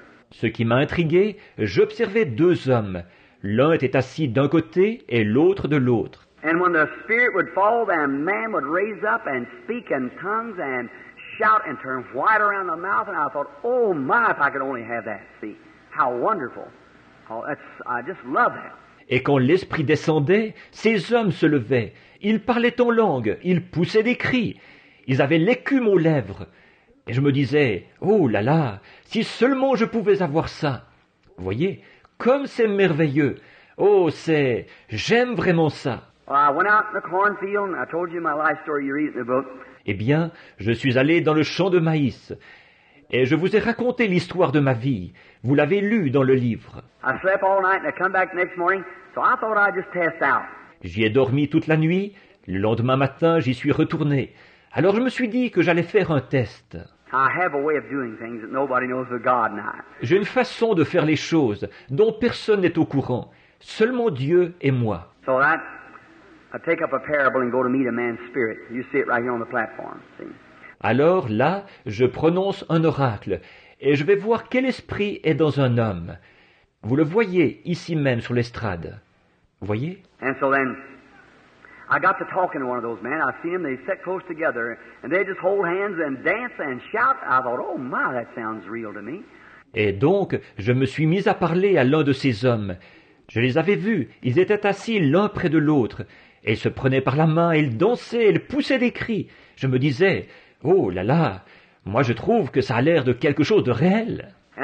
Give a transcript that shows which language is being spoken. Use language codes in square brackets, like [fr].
[fr] Ce qui m'a intrigué, j'observais deux hommes. L'un était assis d'un côté et l'autre de l'autre. [en] And when the spirit would fall, then man would raise up and speak in tongues and shout and turn white around the mouth. And I thought, oh my, if I could only have that, see, how wonderful. Oh, that's, I just love that. [fr] Et quand l'Esprit descendait, ces hommes se levaient. Ils parlaient en langue, ils poussaient des cris. Ils avaient l'écume aux lèvres. Et je me disais, oh là là, si seulement je pouvais avoir ça. Voyez, comme c'est merveilleux. Oh, c'est, j'aime vraiment ça. [en] I went out in the cornfield and I told you my life story, you read in the book. [fr] Eh bien, je suis allé dans le champ de maïs et je vous ai raconté l'histoire de ma vie. Vous l'avez lu dans le livre. [en] I slept all night and I come back the next morning, so I thought I'd just test out. [fr] J'y ai dormi toute la nuit. Le lendemain matin, j'y suis retourné. Alors je me suis dit que j'allais faire un test. [en] I have a way of doing things that nobody knows but God and I. [fr] J'ai une façon de faire les choses dont personne n'est au courant. Seulement Dieu et moi. [en] So that, I take up a parable and go to meet a man's spirit. You see it right here on the platform. See? [fr] Alors là, je prononce un oracle et je vais voir quel esprit est dans un homme. Vous le voyez ici même sur l'estrade. Voyez? [en] And so then, I got to talking to one of those men. I see him. They sit close together and they just hold hands and dance and shout. I thought, oh my, that sounds real to me. [fr] Et donc, je me suis mis à parler à l'un de ces hommes. Je les avais vus. Ils étaient assis l'un près de l'autre. Ils se prenaient par la main, ils dansaient, ils poussaient des cris. Je me disais, oh là là, moi je trouve que ça a l'air de quelque chose de réel.